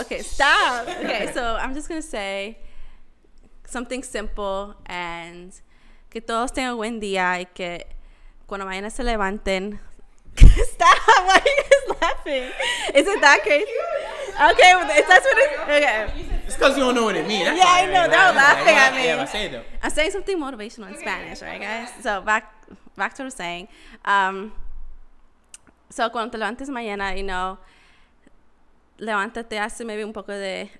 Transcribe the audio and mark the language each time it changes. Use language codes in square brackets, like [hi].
[en] Okay, so I'm just gonna say something simple and [es] que todos tengan buen día y que cuando mañana se levanten. [en] Stop. Why are you guys laughing? Is it that crazy? Okay, that's what it's. Okay. It's because you don't know what it means. Yeah, I know. They're laughing at me. Yeah, I say it though. I'm saying something motivational in Spanish, right, guys? So back to what I'm saying. [es] So cuando te levantes mañana, [en] you know, [es] levántate hace [en] maybe [es] un poco de.